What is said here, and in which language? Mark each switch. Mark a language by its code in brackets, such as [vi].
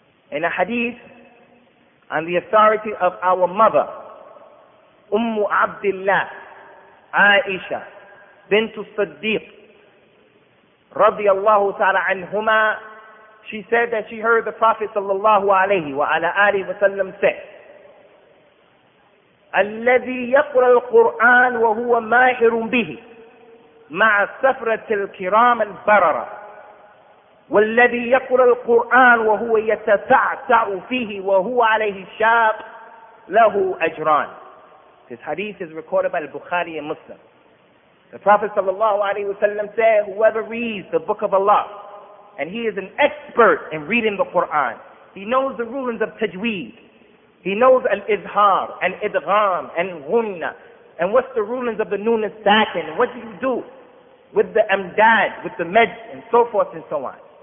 [en] In a hadith, on the authority of our mother, Ummu Abdullah, Aisha, Bintu Siddiq, رضي الله تعالى عنهما, she said that she heard the Prophet sallallahu alayhi wa ala alihi wa sallam say, [ar] الَّذِي يَقْرَى الْقُرْآنَ وَهُوَ مَاهِرٌ بِهِ مَعَ سَفْرَةِ الْكِرَامِ الْبَرَرَةِ وَالَّذِي يَقْرَى الْقُرْآنَ وَهُوَ يَتَفَعْتَعُ فِيهِ وَهُوَ عَلَيْهِ شَابٌ لَهُ أَجْرَانٌ. [en] This hadith is recorded by Al-Bukhari and Muslim. The Prophet sallallahu alayhi wa sallam said, whoever reads the book of Allah, and he is an expert in reading the Qur'an, he knows the rulings of tajweed, he knows al-izhar, and idgham, and ghunna, and what's the rulings of the noon and sakin, and what do you do with the amdad, with the medj, and so forth and so on.